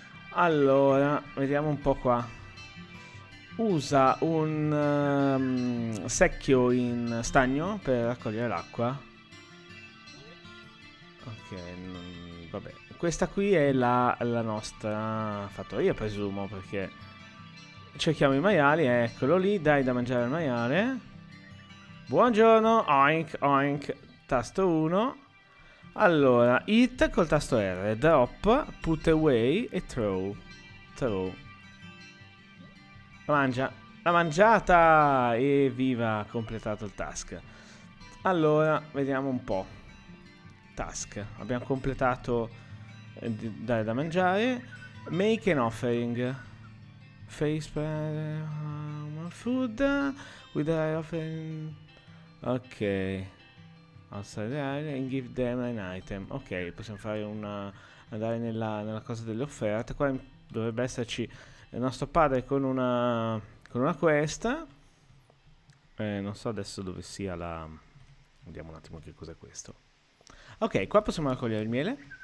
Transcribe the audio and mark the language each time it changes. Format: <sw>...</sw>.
<it>Allora, vediamo un po' qua. Usa un secchio in stagno per raccogliere l'acqua. Ok, vabbè. Questa qui è la nostra fattoria, presumo, perché cerchiamo i maiali, eccolo lì, dai da mangiare il maiale. Buongiorno, oink, oink, tasto 1. Allora, eat col tasto R, drop, put away e throw. Mangia, la mangiata, e viva, completato il task. Allora, vediamo un po'. Task, abbiamo completato dare da mangiare.</it> <en>Make an offering. Face per food with the offering. Ok, outside the area and give them an item.</en> <it>Ok, possiamo fare una, andare nella cosa delle offerte. Qua dovrebbe esserci il nostro padre con una quest. Non so adesso dove sia la, vediamo un attimo che cos'è questo. Ok, qua possiamo raccogliere il miele.</it>